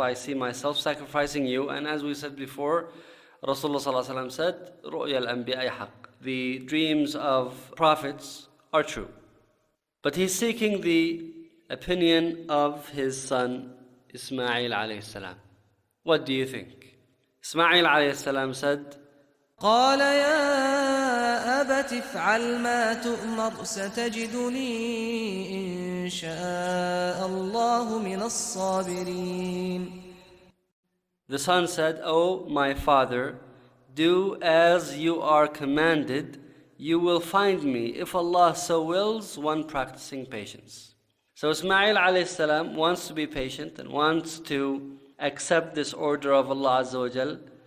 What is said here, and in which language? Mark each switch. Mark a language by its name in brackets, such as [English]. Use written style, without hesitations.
[English] I see myself sacrificing you. And as we said before, Rasulullah sallallahu alayhi wa sallam said, [Arabic] رؤيا الأنبياء حق. [English] The dreams of prophets are true. But he's seeking the opinion of his son, Ismail alayhi salam. What do you think? Ismail alayhi salam said, [Arabic] قال يا أبت افعل ما تؤمر ستجدني إن شاء الله من الصابرين. [English] The son said, O my father, do as you are commanded. You will find me, if Allah so wills, one practicing patience. So Ismail alayhi salam wants to be patient and wants to accept this order of Allah Azza wa Jal.